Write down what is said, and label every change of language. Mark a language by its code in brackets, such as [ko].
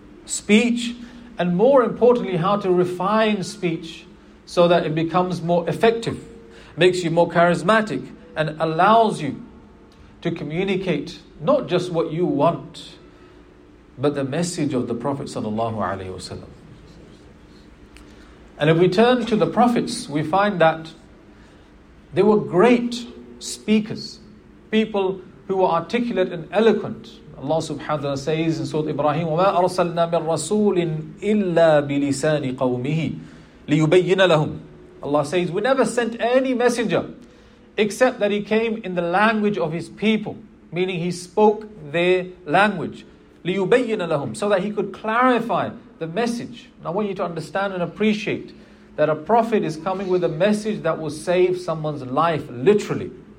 [en] Speech, and more importantly, how to refine speech so that it becomes more effective, makes you more charismatic, and allows you to communicate not just what you want, but the message of the Prophet sallallahu alaihi wasallam. And if we turn to the Prophets, we find that they were great speakers, people who were articulate and eloquent. Allah subhanahu wa ta'ala says in Surah Ibrahim, [ar] وَمَا أَرْسَلْنَا مِنْ رَسُولٍ إِلَّا بِلِسَانِ قَوْمِهِ لِيُبَيِّنَ لَهُمْ. [en] Allah says, we never sent any messenger except that he came in the language of his people, meaning he spoke their language. [ar] لِيُبَيِّنَ لَهُمْ, [en] so that he could clarify the message. And I want you to understand and appreciate that a prophet is coming with a message that will save someone's life, literally.